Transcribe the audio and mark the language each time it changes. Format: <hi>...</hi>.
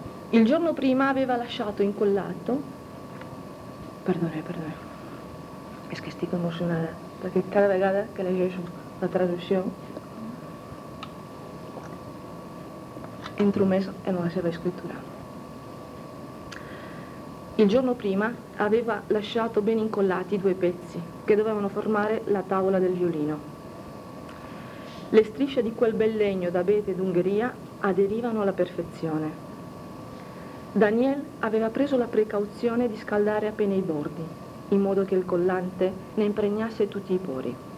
<it>Il giorno prima aveva lasciato incollato...</it> <ca>Perdoneu. És que estic emocionada, perquè cada vegada que llegeixo la traducció entro més en la seva escritura.</ca> <it>Il giorno prima aveva lasciato ben incollati due pezzi che dovevano formare la tavola del violino. Le strisce di quel bel legno d'abete d'Ungheria aderivano alla perfezione. Daniel aveva preso la precauzione di scaldare appena i bordi, in modo che il collante ne impregnasse tutti i pori.</it>